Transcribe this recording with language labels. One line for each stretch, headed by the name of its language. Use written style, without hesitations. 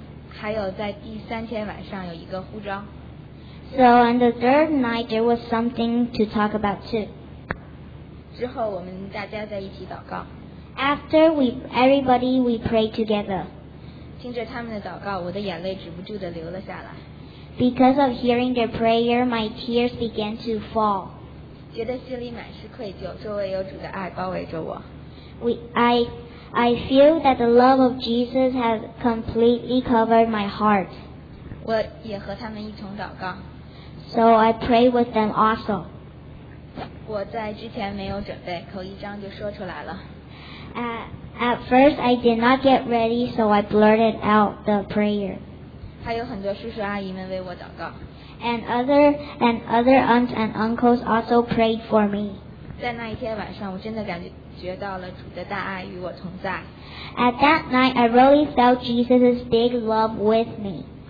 Chinese: 还有在第三天晚上有一个呼召。
English: So on the third night there was something to talk about too.
Chinese: 之后我们大家在一起祷告。
English: After we pray together.
Chinese: 听着他们的祷告，我的眼泪止不住地流了下来。
English: Because of hearing their prayer, my tears began to fall.
Chinese: 觉得心里满是愧疚，周围有主的爱包围着我。
English: I feel that the love of Jesus has completely covered my heart.
Chinese: 我也和他们一同祷告。
English: So I pray with them also.
Chinese: 我在之前没有准备，口一张就说出来了。
English: At first, I did not get ready, so I blurted out the prayer.
Chinese: 还有很多叔叔阿姨们为我祷告。
English: And other aunts and uncles also prayed for me.
Chinese: 在那一天晚上，我真的感觉到了主的大爱与我同在。
English: At that night, I really felt Jesus' big love with me.